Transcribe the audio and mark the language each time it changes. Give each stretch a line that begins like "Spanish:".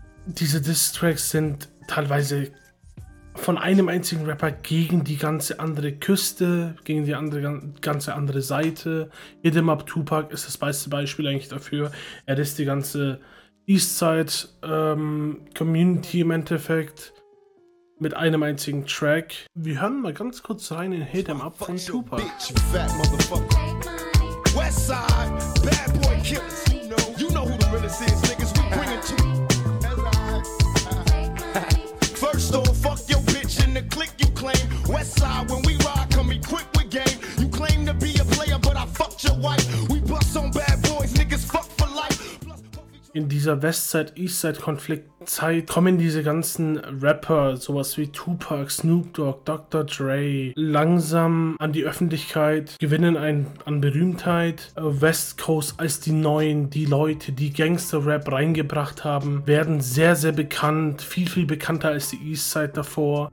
German: Diese Diss-Tracks sind teilweise von einem einzigen Rapper gegen die ganze andere Küste, gegen die andere, ganze andere Seite. Hit 'Em Up Tupac ist das beste Beispiel eigentlich dafür. Er disst die ganze Eastside Community im Endeffekt mit einem einzigen Track. Wir hören mal ganz kurz rein in Hit 'em Up von Tupac.
English: Bitch, fat motherfucker. West Side, bad boy killers. You know who the realest is, niggas, we bring it to you. First off, fuck your bitch in the click you claim. West Side, when we ride, come equipped with game. You claim to be a player, but I fucked your wife. We bust on bad boys, niggas, fuck for life.
German: In dieser Westside-Eastside-Konfliktzeit kommen diese ganzen Rapper, sowas wie Tupac, Snoop Dogg, Dr. Dre, langsam an die Öffentlichkeit, gewinnen an Berühmtheit. West Coast als die Neuen, die Leute, die Gangster-Rap reingebracht haben, werden sehr, sehr bekannt, viel, viel bekannter als die Eastside davor.